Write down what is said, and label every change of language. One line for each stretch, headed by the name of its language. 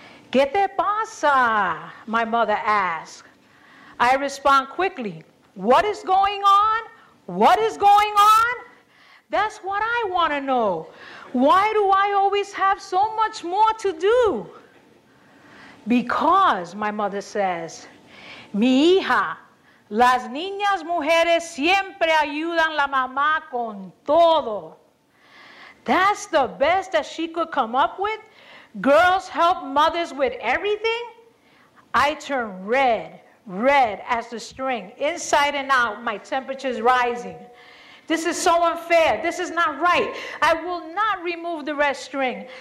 Spanish: ¿Qué te pasa?
English: My mother asks. I respond quickly. What is going on? What is going on? That's what I want to know. Why do I always have so much more to do? Because, my mother says,
Spanish: mi hija, las niñas mujeres siempre ayudan la mamá con todo.
English: That's the best that she could come up with? Girls help mothers with everything? I turn red, red as the string, inside and out, my temperature's rising. This is so unfair. This is not right. I will not remove the red string.